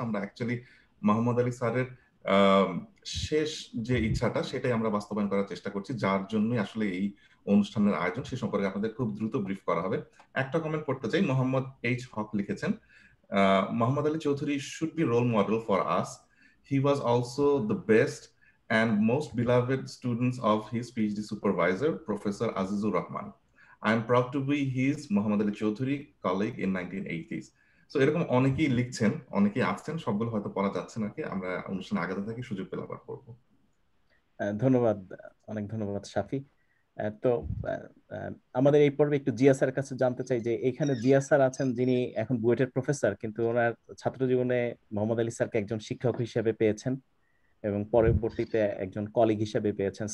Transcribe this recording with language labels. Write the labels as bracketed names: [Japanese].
[Bangla] আমরা অ্যাকচুয়ালি মোহাম্মদ আলী স্যারের শেষ যে ইচ্ছাটা সেটাই আমরা বাস্তবায়ন করার চেষ্টা করছি, যার জন্যই আসলে এই অনুষ্ঠানের আয়োজন, সে সম্পর্কে আপনাদের খুব দ্রুত ব্রিফ করা হবে। একটা কমেন্ট পড়তে চাই, মোহাম্মদ এইচ হক লিখেছেন, [English] Muhammad Ali Chowdhury should be role model for us, he was also the best and most beloved students of his PhD supervisor, Professor Azizur Rahman. I am proud to be his Muhammad Ali Chowdhury colleague in 1980s. So, [Bangla] এরকম অনেকেই লিখছেন, অনেকেই আসছেন, সবগুলো হয়তো পড়া যাচ্ছে নাকি, আমরা অনুষ্ঠানে আগাতে থাকি, সুযোগ পেলে আবার পড়ব। ধন্যবাদ, অনেক ধন্যবাদ সাফি। তো আমাদের এই পর্বে একটু জিয়া স্যারের কাছে জানতে চাই যে এখানে জিয়া স্যার আছেন যিনি এখন বুয়েটের প্রফেসর, কিন্তু ওনার ছাত্র জীবনে মোহাম্মদ আলী স্যারকে একজন শিক্ষক হিসেবে পেয়েছেন এবং পরবর্তীতে একজন কলিগ হিসেবে পেয়েছেন।